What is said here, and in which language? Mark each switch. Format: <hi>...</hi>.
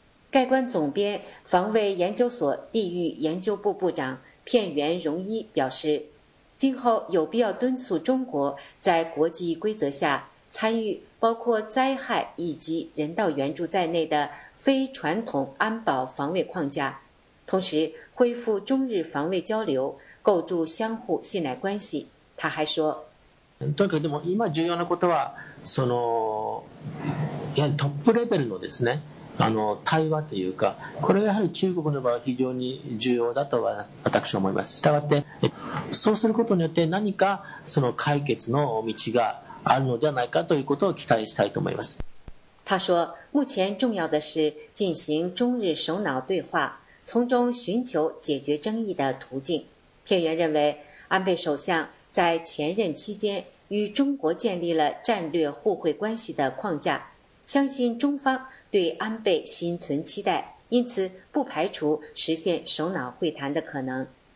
<zh>概观总编、防卫研究所地域研究部部长片原荣一表示，今后有必要敦促中国在国际规则下参与包括灾害以及人道援助在内的非传统安保防卫框架，同时恢复中日防卫交流，构筑相互信赖关系。他还说，</zh> <ja>とにかくでも今重要なことはそのやトップレベルのですね、あの対話というか、これがやはり中国の場合は非常に重要だとは私は思います。したがってそうすることによって何かその解決の道があるのではないかということを期待したいと思います。</ja> <zh>他说，目前重要的是进行中日首脑对话，从中寻求解决争议的途径。片原认为，安倍首相在前任期间与中国建立了战略互惠关系的框架，相信中方对安倍心存期待，因此不排除实现首脑会谈的可能。</zh>